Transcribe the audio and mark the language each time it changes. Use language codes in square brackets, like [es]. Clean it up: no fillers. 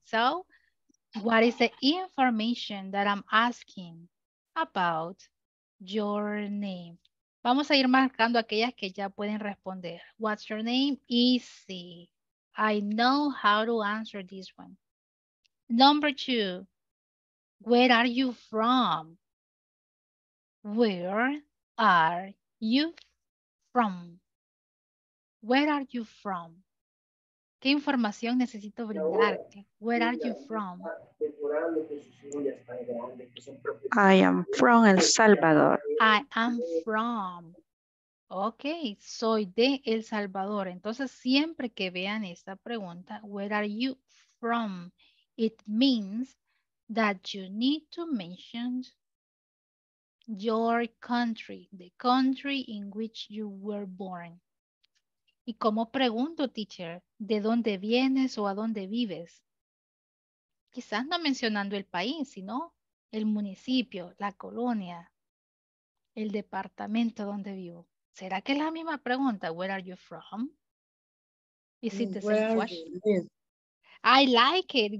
[en] So, what is the information that I'm asking about your name? [es] Vamos a ir marcando aquellas que ya pueden responder. [en] What's your name? Easy. I know how to answer this one. Number two. Where are you from? Where are you from? Where are you from? [es] ¿Qué información necesito brindar? [en] Where are you from? I am from El Salvador. I am from. Ok, [es] soy de El Salvador. Entonces, siempre que vean esta pregunta, [en] where are you from? It means that you need to mention your country, the country in which you were born. [es] ¿Y cómo pregunto, teacher, de dónde vienes o a dónde vives? Quizás no mencionando el país, sino el municipio, la colonia, el departamento donde vivo. ¿Será que es la misma pregunta? [en] Where are you from? Is it the same question? I like it.